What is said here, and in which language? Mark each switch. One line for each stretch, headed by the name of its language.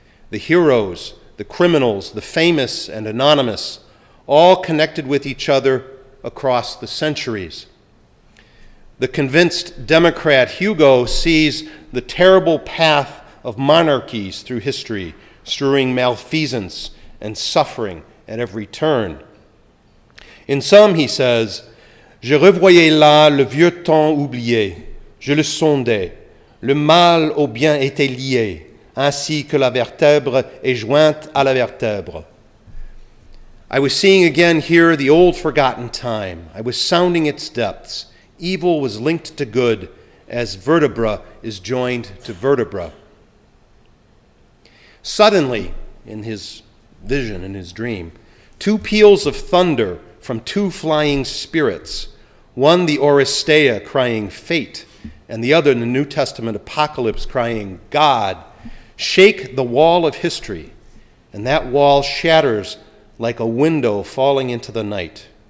English: The heroes, the criminals, the famous and anonymous, all connected with each other across the centuries. The convinced Democrat Hugo sees the terrible path of monarchies through history, strewing malfeasance and suffering at every turn. In sum, he says,
French: je revoyais là le vieux temps oublié, je le sondais. Le mal au bien était lié, ainsi que la vertèbre est jointe à la vertèbre.
English: I was seeing again here the old forgotten time. I was sounding its depths. Evil was linked to good, as vertebra is joined to vertebra. Suddenly, in his vision, in his dream, two peals of thunder from two flying spirits, one the Oresteia crying fate, and the other in the New Testament apocalypse crying, God, shake the wall of history, and that wall shatters like a window falling into the night.